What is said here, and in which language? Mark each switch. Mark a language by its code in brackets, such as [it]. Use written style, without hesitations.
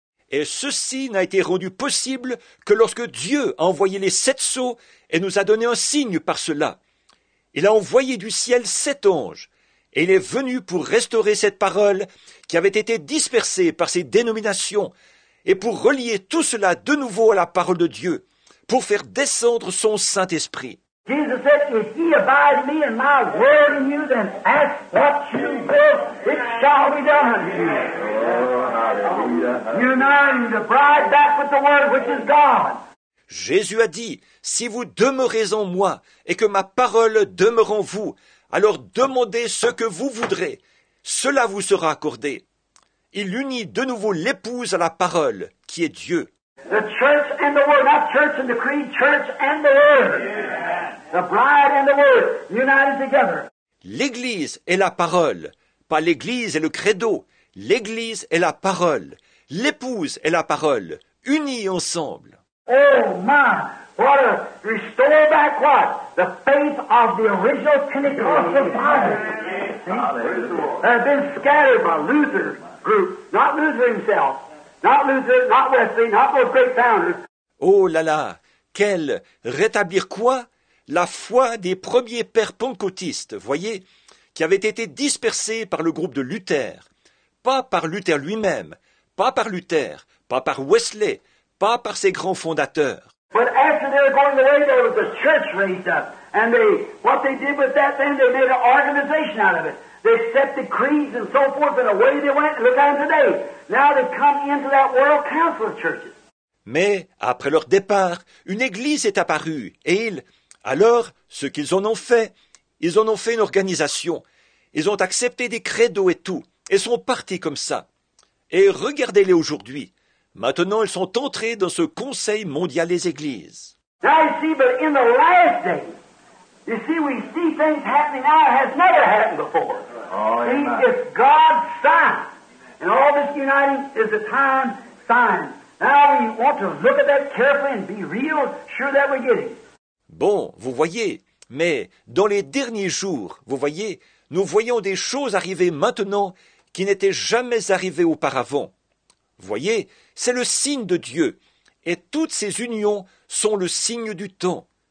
[fr] Et ceci n'a été rendu possible que lorsque Dieu a envoyé les sept sceaux et nous a donné un signe par cela. Il a envoyé du ciel sept anges, et il est venu pour restaurer cette parole qui avait été dispersée par ces dénominations, et pour relier tout cela de nouveau à la parole de Dieu, pour faire descendre son Saint-Esprit. [en] Jesus said, if ye abide in me and my word in you, then ask what you will, it shall be done unto you. Oh, uniting the bride back with the word, which is God. [fr] Jésus a dit, si vous demeurez en moi et que ma parole demeure en vous, alors demandez ce que vous voudrez. Cela vous sera accordé. Il unit de nouveau l'épouse à la parole, qui est Dieu. [en] The church and the word, not church and the creed, church and the word. The bride and the word, united together. [fr] L'Église est la parole, pas l'Église et le credo. L'Église est la parole, l'épouse est la parole, unis ensemble. [en] Oh my, what a restore back what? The faith of the original Pentecostal fathers. They've been scattered by Luther group, not Luther himself, not Luther, not Wesley, not those great founders. [fr] Oh là là, quel rétablir quoi? La foi des premiers pères pentecôtistes, voyez, qui avait été dispersée par le groupe de Luther. Pas par Luther lui-même, pas par Luther, pas par Wesley, pas par ses grands fondateurs. [en] But after they were going away, there was a church raised up. And they, what they did with that then, they made an organization out of it. They set the creeds and so forth, and away they went. Look at them today. Now they've come into that world council of churches. [fr] Mais, après leur départ, une église est apparue, et ils, alors, ce qu'ils en ont fait, ils en ont fait une organisation. Ils ont accepté des credos et tout, et sont partis comme ça. Et regardez-les aujourd'hui. Maintenant, ils sont entrés dans ce Conseil mondial des églises. [en] Now you see, but in the last day, you see, we see things happening now that has never happened before. Oh, see, it's God's sign. And all this uniting is a time sign. Now we want to look at that carefully and be real sure that we're getting. [fr] Bon, vous voyez, mais dans les derniers jours, vous voyez, nous voyons des choses arriver maintenant qui n'étaient jamais arrivées auparavant. Voyez, c'est le signe de Dieu, et toutes ces unions sont le signe du temps.